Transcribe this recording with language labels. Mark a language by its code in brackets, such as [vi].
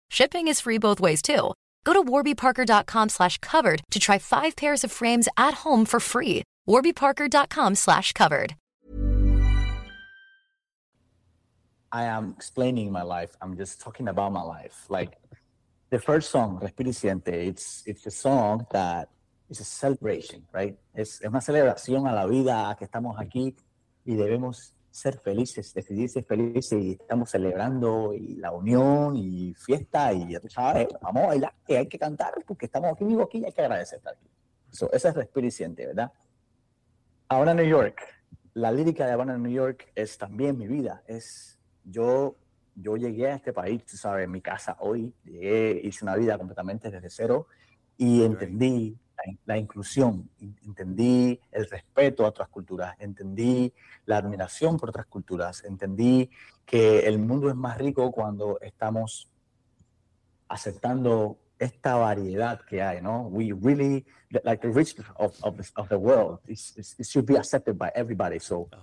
[en] Shipping is free both ways, too. Go to warbyparker.com/covered to try 5 pairs of frames at home for free. warbyparker.com/covered. I am explaining my life. I'm just talking about my life. Like, the first song, Respiriciente, it's a song that... It's a celebration, right? [es] Es una celebración a la vida, a que estamos aquí y debemos ser felices, decidir ser felices y estamos celebrando y la unión y fiesta y ya tú sabes, vamos a bailar, que hay que cantar porque estamos aquí vivo aquí y hay que agradecer estar aquí. So, esa es Respiriciente, ¿verdad? Ahora New York, la lírica de Habana New York es también mi vida. Es yo llegué a este país, tú sabes, en mi casa hoy, llegué, hice una vida completamente desde cero y entendí la inclusión, entendí el respeto a otras culturas, entendí la admiración por otras culturas, entendí que el mundo es más rico cuando estamos aceptando esta variedad que hay, ¿no? [en] We really, like the richness of the world, it should be accepted by everybody, so 100%.